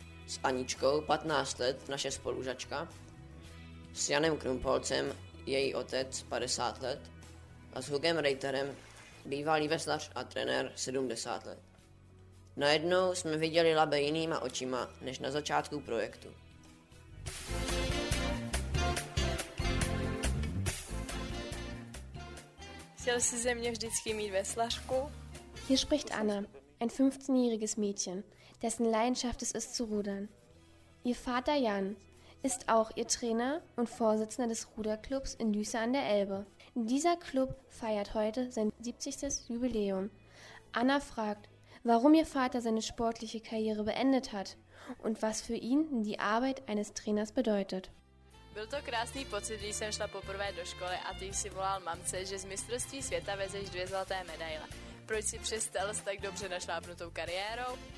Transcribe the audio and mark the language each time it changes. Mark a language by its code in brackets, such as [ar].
[cs] S Aničkou, 15 let, naše spolužačka, s Janem Krumpolcem, její otec, 50 let, a s Hugem Reiterem, bývalý veslař a trenér, 70 let. Najednou jsme viděli Labe jinýma očima než na začátku projektu. Chtěl jsi ze mě vždycky mít veslařku? [de] Hier spricht Anna, ein 15-jähriges Mädchen, dessen Leidenschaft es ist zu rudern. Ihr Vater Jan ist auch ihr Trainer und Vorsitzender des Ruderclubs in Lüse an der Elbe. Dieser Club feiert heute sein 70. Jubiläum. Anna fragt, warum ihr Vater seine sportliche Karriere beendet hat und was für ihn die Arbeit eines Trainers bedeutet. [cs] Byl to krásný pocit, když jsem šla poprvé do školy a ty si volal mamce, že z mistrovství světa vezeš 2 zlaté medaile. Proč si přestal s tak dobře našlápnutou kariérou?